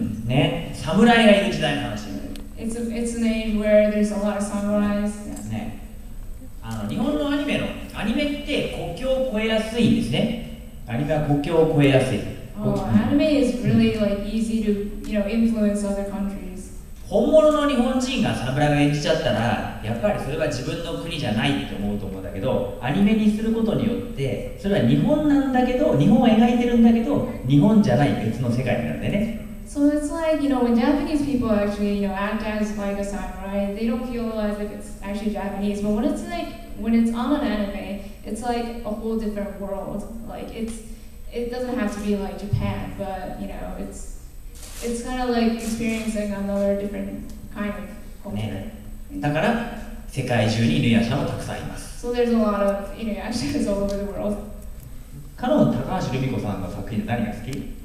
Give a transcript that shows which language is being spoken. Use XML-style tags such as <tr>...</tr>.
<ja>ね、サムライがいる時代の話。</ja> <en>It's an age where there's a lot of samurais.</en> <ja>ね、あの日本のアニメのアニメって国境を越えやすいんですね。アニメは国境を越えやすい。</ja> <en>Oh, anime is really like easy to, you know, influence other countries.</en> <ja>本物の日本人がサムライを演じちゃったら、やっぱりそれは自分の国じゃないと思うと思うんだけど、アニメにすることによって、それは日本なんだけど、日本を描いてるんだけど、日本じゃない別の世界になるんでね。</ja> <en>So it's like, you know, when Japanese people actually, you know, act as like a samurai, they don't feel as if it's actually Japanese. But when it's like, when it's on an anime, it's like a whole different world. Like, it doesn't have to be like Japan, but you know, it's kind of like experiencing another different kind of culture.</en> <ja>ね。だから世界中にイヌヤシャもたくさんいます。</ja> <en>So there's a lot of Inuyashas all over the world.</en> <ja>カノン高橋留美子さんの作品で何が好き？</ja>